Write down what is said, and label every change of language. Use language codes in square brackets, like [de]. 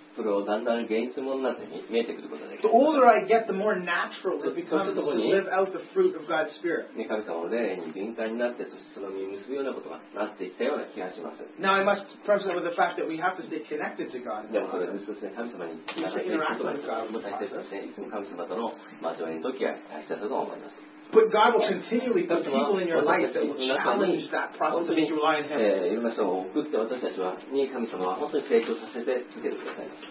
[ja] それをだんだん現実ものになって見えてくることができる。 [en] The older I get, the more natural it becomes to live out the fruit of God's Spirit. [ja] 神様の霊に敏感になって、そしてその実を結ぶようなことがなっていったような気がします。 [en] Now I must preface it with the fact that we have to stay connected to God. [ja] でもそれは神様に [en] interact with God. [ja] 神様との交わりの時は大切だと思います。 [en] But God will continually put people in your life that will challenge that process that you rely on Him. [ja] いろんな人を送って私たちは、神様は本当に成長させて続けてください。